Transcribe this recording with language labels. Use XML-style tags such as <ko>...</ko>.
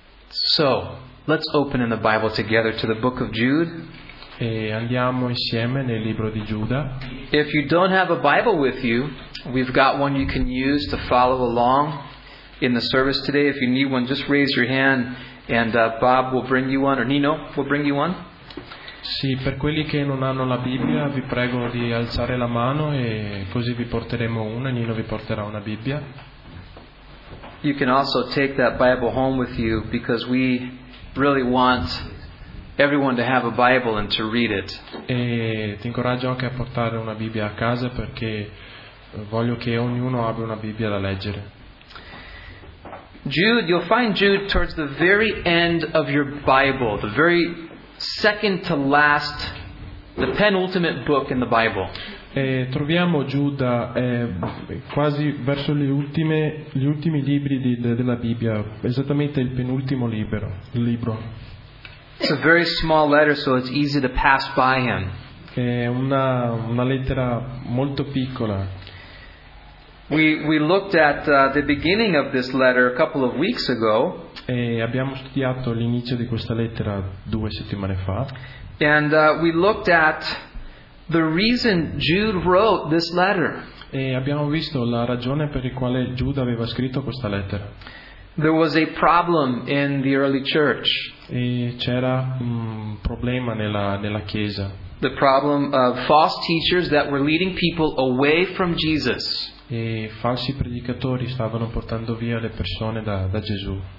<en>So, let's open in the Bible together to the book of Jude.</en> <it>E andiamo insieme nel libro di Giuda.</it> <en>If you don't have a Bible with you, we've got one you can use to follow along in the service today. If you need one, just raise your hand and Bob will bring you one, or Nino will bring you one.</en> <it>Sì, per quelli che non hanno la Bibbia, vi prego di alzare la mano e così vi porteremo una, Nino vi porterà una Bibbia.</it> <en>You can also take that Bible home with you because we really want everyone to have a Bible and to read it.</en> <it>E ti incoraggio anche a portare una Bibbia a casa perché voglio che ognuno abbia una Bibbia da leggere.</it> <en>Jude, you'll find Jude towards the very end of your Bible, the very second to last, the penultimate book in the Bible.</en> <it>E troviamo Giuda quasi verso gli ultimi libri della Bibbia, esattamente il penultimo libro.</it> <en>It's a very small letter, so it's easy to pass by him.</en> <it>È una lettera molto piccola.</it> <en>We looked at the beginning of this letter a couple of weeks ago.</en> <it>E abbiamo studiato l'inizio di questa lettera due settimane fa.</it> <en>And we looked at the reason Jude wrote this letter.</en> <it>E abbiamo visto la ragione per il quale Giuda aveva scritto questa lettera.</it> <en>There was a problem in the early church.</en> <it>E c'era un problema nella chiesa.</it> <en>The problem of false teachers that were leading people away from Jesus.</en> <it>E falsi predicatori stavano portando via le persone da Gesù.</it>